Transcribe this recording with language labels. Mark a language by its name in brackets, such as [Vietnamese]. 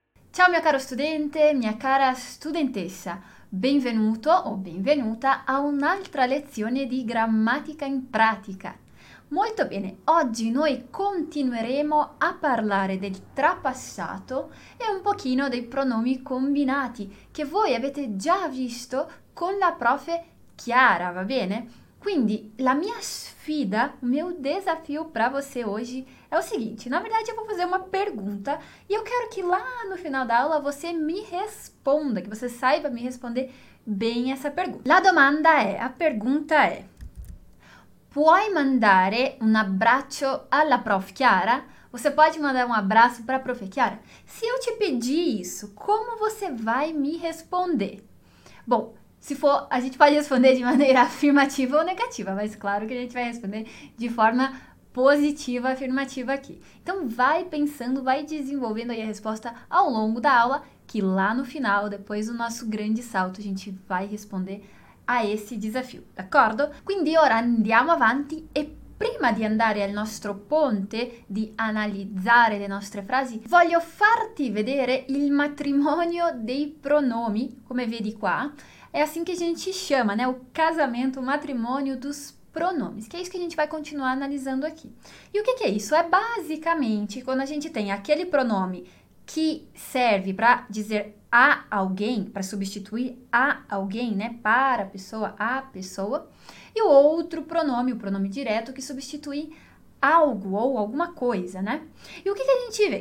[Italian] Ciao mio caro studente, mia cara studentessa, benvenuto o benvenuta a un'altra lezione di grammatica in pratica. Molto bene, oggi noi continueremo a parlare del trapassato e un pochino dei pronomi combinati che voi avete già visto con la profe Chiara, va bene? Quindi la mia sfida, [Portuguese] meu desafio para você hoje é o seguinte: na verdade, eu vou fazer uma pergunta e eu quero que lá no final da aula você me responda, que você saiba me responder bem essa pergunta. A pergunta é: [Italian] puoi mandare un abbraccio alla prof Chiara? [Portuguese] Você pode mandar um abraço para a prof Chiara? Se eu te pedir isso, como você vai me responder? Bom, se for, a gente pode responder de maneira afirmativa ou negativa, mas claro que a gente vai responder de forma positiva, afirmativa aqui. Então, vai pensando, vai desenvolvendo aí a resposta ao longo da aula, que lá no final, depois do nosso grande salto, a gente vai responder a esse desafio, d'accordo? [Italian] Quindi ora andiamo avanti e prima di andare al nostro ponte, di analizzare le nostre frasi, voglio farti vedere il matrimonio dei pronomi, come vedi qua. [Portuguese] È assim che a gente chiama, né? O casamento, o matrimônio dos pronomes, que é isso que a gente vai continuar analisando aqui. E o que que é isso? É basicamente quando a gente tem aquele pronome que serve para dizer a alguém, para substituir a alguém, né? Para a pessoa, e o outro pronome, o pronome direto, que substitui algo ou alguma coisa, né? E o que que a gente vê?